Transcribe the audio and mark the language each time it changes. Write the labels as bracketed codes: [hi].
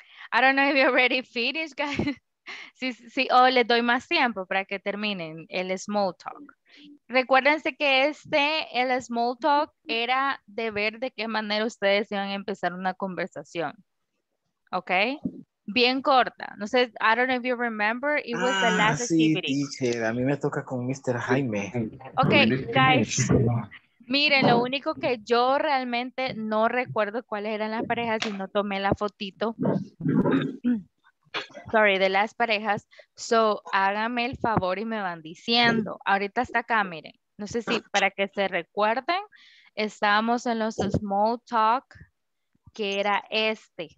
[en] I don't know if you're already finished, guys. [es] Sí, sí, les doy más tiempo para que terminen el small talk. Recuérdense que este, el small talk, era de ver de qué manera ustedes iban a empezar una conversación. [en] Okay? [es] Bien corta. No sé, [en] I don't know if you remember, it was the last [es] sí, activity. Teacher, a mí me toca con Mr. Jaime. [en] Okay, guys. [es] Miren, lo único que yo realmente no recuerdo cuáles eran las parejas y no tomé la fotito. [en] Sorry, [es] de las parejas. [en] So, [es] háganme el favor y me van diciendo. Ahorita está acá, miren. No sé si para que se recuerden, estábamos en los small talk, que era este.